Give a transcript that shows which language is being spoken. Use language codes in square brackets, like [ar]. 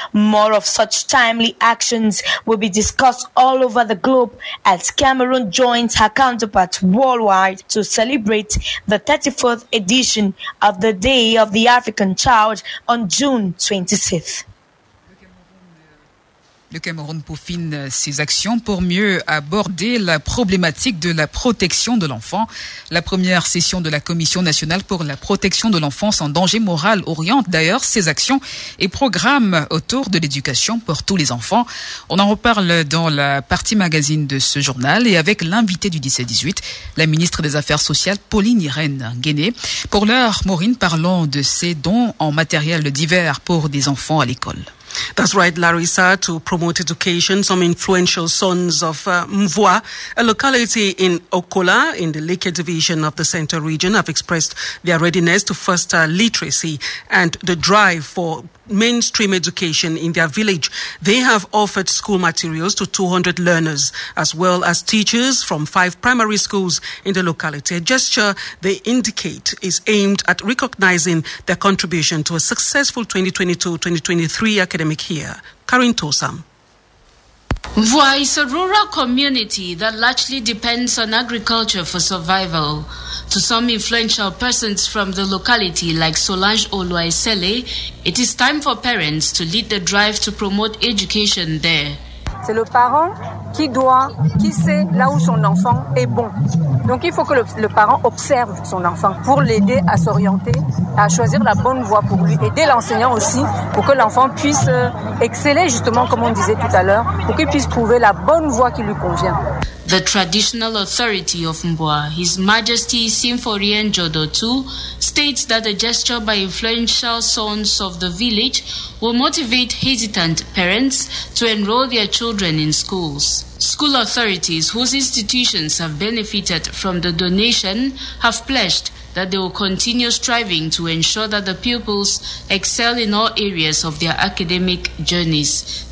[en] More of such timely actions will be discussed all over the globe as Cameroon joins her counterparts worldwide to celebrate the 34th edition of the Day of the African Child on June 25th. [fr] Le Cameroun peaufine ses actions pour mieux aborder la problématique de la protection de l'enfant. La première session de la Commission nationale pour la protection de l'enfance en danger moral oriente d'ailleurs ses actions et programmes autour de l'éducation pour tous les enfants. On en reparle dans la partie magazine de ce journal et avec l'invité du 17-18, la ministre des Affaires sociales, Pauline Irène Guéné. Pour l'heure, Maureen, parlons de ses dons en matériel divers pour des enfants à l'école. [en] That's right, Larissa. To promote education, some influential sons of Mvua, a locality in Okola in the Lekki Division of the Central Region, have expressed their readiness to foster literacy and the drive for mainstream education in their village. They have offered school materials to 200 learners, as well as teachers from 5 primary schools in the locality. A gesture they indicate is aimed at recognizing their contribution to a successful 2022-2023 academic year. Karin Tosam. Mvua is a rural community that largely depends on agriculture for survival. To some influential persons from the locality, like Solange Oluaisele, it is time for parents to lead the drive to promote education there. [fr] C'est le parent qui sait là où son enfant est bon. Donc il faut que le parent observe son enfant pour l'aider à s'orienter, à choisir la bonne voie pour lui. Aider l'enseignant aussi pour que l'enfant puisse exceller justement comme on disait tout à l'heure, pour qu'il puisse trouver la bonne voie qui lui convient. [en] The traditional authority of Mbwa, His Majesty Simforien Jodotu, states that a gesture by influential sons of the village will motivate hesitant parents to enroll their children in schools. School authorities, whose institutions have benefited from the donation, have pledged that they will continue striving to ensure that the pupils excel in all areas of their academic journeys.